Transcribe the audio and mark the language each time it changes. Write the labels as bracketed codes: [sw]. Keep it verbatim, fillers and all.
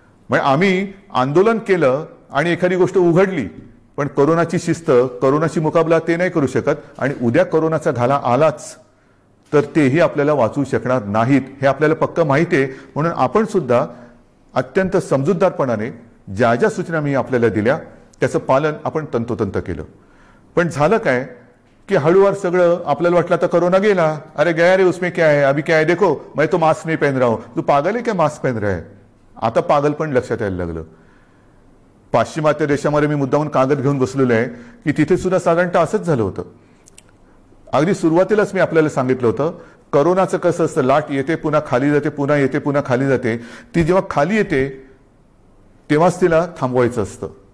[mr] म्हणजे आम्ही आंदोलन केलं आणि एखादी गोष्ट उघडली, पण कोरोनाची शिस्त, कोरोनाशी मुकाबला ते नाही करू शकत. आणि उद्या कोरोनाचा घाला आलाच तर तेही आपल्याला वाचवू शकणार नाहीत, हे आपल्याला पक्क माहिती आहे. म्हणून आपण सुद्धा अत्यंत समजूतदारपणाने ज्या ज्या सूचना मी आपल्याला दिल्या त्याचं पालन आपण तंतोतंत केलं. पण झालं काय कि हळूवार सगळं आपल्याला वाटलं आता कोरोना गेला, [hi] अरे गया रे उसमें क्या है, अभी क्या है, देखो मैं तो मास्क नहीं पहन रहा हूं, तू पागल है क्या मास्क पहन रहा है. [mr] आता पागल पण लक्षात यायला लागलं. पाश्चिमात्य देशामध्ये मी मुद्दामून कागद घेऊन बसलेलो आहे की तिथे सुद्धा साधारणतः असंच झालं होतं. अगदी सुरुवातीलाच मी आपल्याला सांगितलं होतं, करोनाचं कसं असतं, लाट येते पुन्हा खाली जाते, पुन्हा येते पुन्हा खाली जाते. ती जेव्हा खाली येते तेव्हाच तिला थांबवायचं असतं.